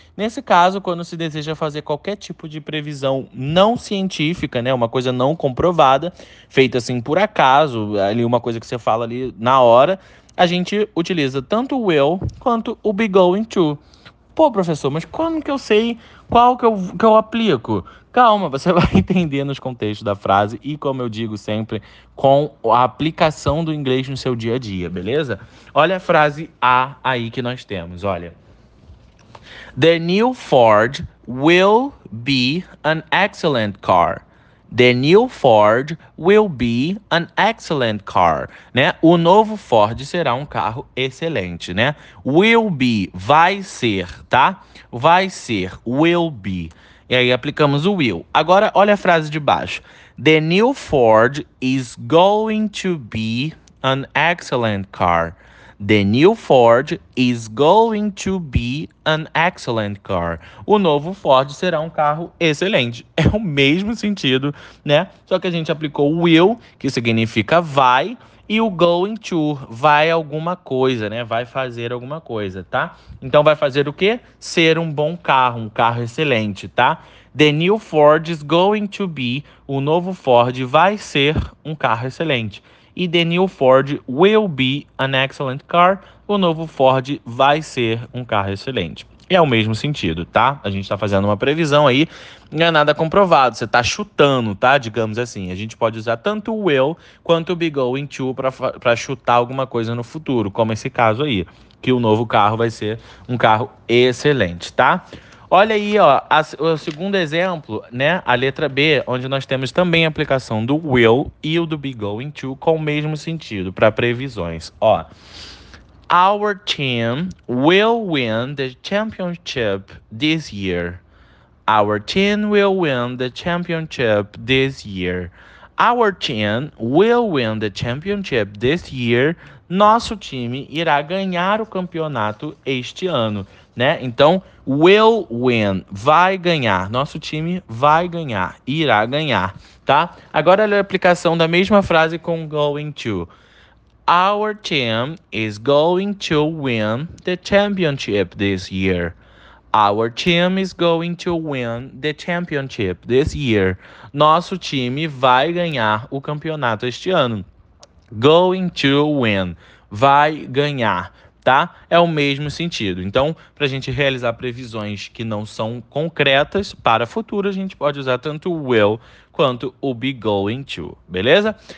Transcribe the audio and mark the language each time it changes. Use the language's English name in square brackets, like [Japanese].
[Portuguese] Nesse caso, quando se deseja fazer qualquer tipo de previsão não científica, né, uma coisa não comprovada, feita assim por acaso, ali uma coisa que você fala ali na hora, a gente utiliza tanto o will quanto o be going to. Pô, professor, mas como que eu sei qual que eu aplico? Calma, você vai entender nos contextos da frase e, como eu digo sempre, com a aplicação do inglês no seu dia a dia, beleza? Olha a frase A aí que nós temos, olha. [English] The new Ford will be an excellent car. The new Ford will be an excellent car, né? [Portuguese] O novo Ford será um carro excelente, né? Will be, vai ser, tá? Vai ser, will be. E aí aplicamos o will. Agora olha a frase de baixo. [English] The new Ford is going to be an excellent car. The new Ford is going to be an excellent car. [Portuguese] O novo Ford será um carro excelente. É o mesmo sentido, né? Só que a gente aplicou o will, que significa vai, e o going to, vai alguma coisa, né? Vai fazer alguma coisa, tá? Então vai fazer o quê? Ser um bom carro, um carro excelente, tá? [English] The new Ford is going to be, [Portuguese] o novo Ford vai ser um carro excelente. [English] e the new Ford will be an excellent car. [Portuguese] O novo Ford vai ser um carro excelente. E é o mesmo sentido, tá? A gente tá fazendo uma previsão aí, não é nada comprovado, você tá chutando, tá? Digamos assim, a gente pode usar tanto o will quanto o be going to para chutar alguma coisa no futuro, como esse caso aí, que o novo carro vai ser um carro excelente, tá? Olha aí, ó, o segundo exemplo, né? A letra B, onde nós temos também a aplicação do will e o do be going to com o mesmo sentido para previsões, ó. [English] Our team will win the championship this year. Our team will win the championship this year. Our team will win the championship this year. [Portuguese] Nosso time irá ganhar o campeonato este ano, né? Então, [English] will win, [Portuguese] vai ganhar. Nosso time vai ganhar, irá ganhar, tá? Agora, olha a aplicação da mesma frase com going to. [English] Our team is going to win the championship this year. Our team is going to win the championship this year. [Portuguese] Nosso time vai ganhar o campeonato este ano. [English] Going to win. [Portuguese] Vai ganhar, tá? É o mesmo sentido. Então, para a gente realizar previsões que não são concretas para o futuro, a gente pode usar tanto o will quanto o be going to, beleza?